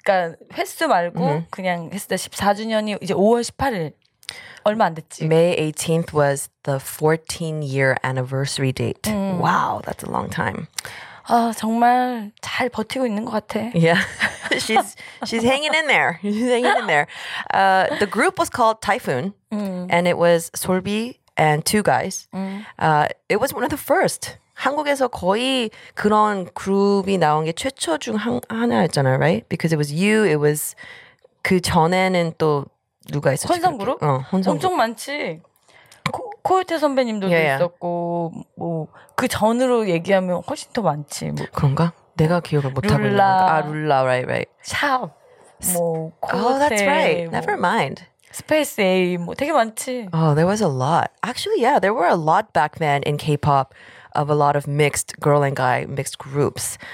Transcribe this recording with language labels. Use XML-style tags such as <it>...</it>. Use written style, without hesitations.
<ko>그러니까 횟수 말고 그냥 했을 때 14주년이 이제 5월 18일. 얼마 안 됐지.</ko> <en>May 18th was the 14-year anniversary date. Wow, that's a long time.</en> <ko>아, 정말 잘 버티고 있는 것 같아.</ko> <en>Yeah, she's hanging in there. She's hanging in there. The group was called Typhoon, and it was Solbi and two guys. It was one of the first.</en> <ko>한국에서 거의 그런 그룹이 나온 게 최초 중 하나였잖아,</ko> <en>right? Because it was you, it was</en> <ko>그 전에는 또 누가 있었지? 혼성 그룹? 어, 혼성 엄청 그룹. 많지. 코요테 선배님도 있었고 뭐 그 전으로 얘기하면 훨씬 더 많지. 뭐. 그런가? 내가 기억을 못 하고 룰라. 아, 룰라,</ko> <en>right, right.</en> <ko>샵. 뭐 코요테.</ko> <en>Oh, that's right. Never mind.</en> <ko>스페이스 A 뭐 되게 많지.</ko> <en>Oh, there was a lot. Actually, yeah, there were a lot back then in K-pop of a lot of mixed girl and guy mixed groups.</en>